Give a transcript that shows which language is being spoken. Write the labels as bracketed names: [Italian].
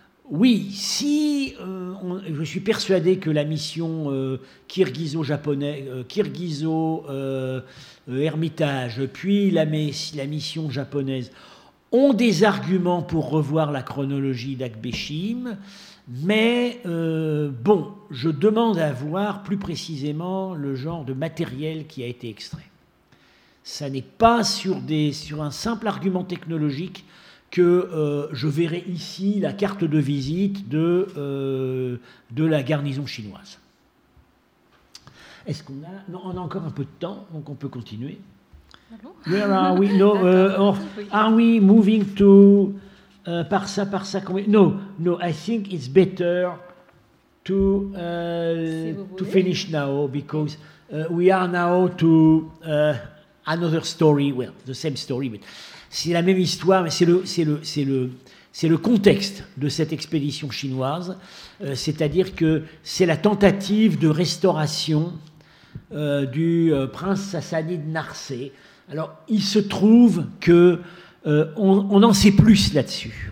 [French] Je suis persuadé que la mission kirghizo-hermitage, puis la mission japonaise ont des arguments pour revoir la chronologie d'Akbeshim, mais je demande à voir plus précisément le genre de matériel qui a été extrait. Ça n'est pas sur un simple argument technologique que je verrai ici la carte de visite de la garnison chinoise. Est-ce qu'on a... Non, on a encore un peu de temps, donc on peut continuer. Allô? [English] Where are we? No, are we moving to... [French] Par ça, [English] No, I think it's better to, to finish now, because we are now to another story, well, the same story, but... [French] C'est la même histoire, mais c'est le contexte de cette expédition chinoise, c'est-à-dire que c'est la tentative de restauration du prince sassanide Narsé. Alors, il se trouve que on en sait plus là-dessus.